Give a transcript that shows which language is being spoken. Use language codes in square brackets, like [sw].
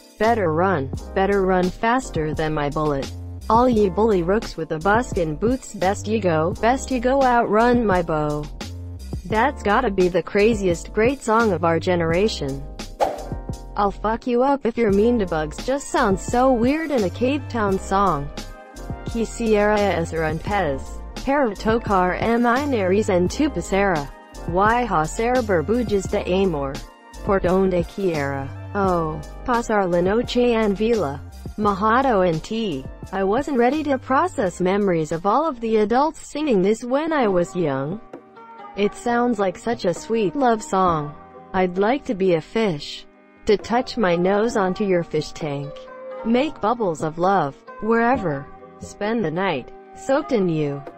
[en] Better run faster than my bullet. All ye bully rooks with the buskin boots, best ye go outrun my bow. That's gotta be the craziest great song of our generation. I'll fuck you up if you're mean to bugs just sounds so weird in a Cape Town song. [es] Quisiera hacer un pez, para tocar mi nariz en tu pecera. Y hacer burbujas de amor, por donde quiera. Oh, pasar la noche en vela. Mojado en ti. [en] I wasn't ready to process memories of all of the adults singing this when I was young. It sounds like such a sweet love song. I'd like to be a fish. To touch my nose onto your fish tank. Make bubbles of love. Wherever. Spend the night. soaked in you.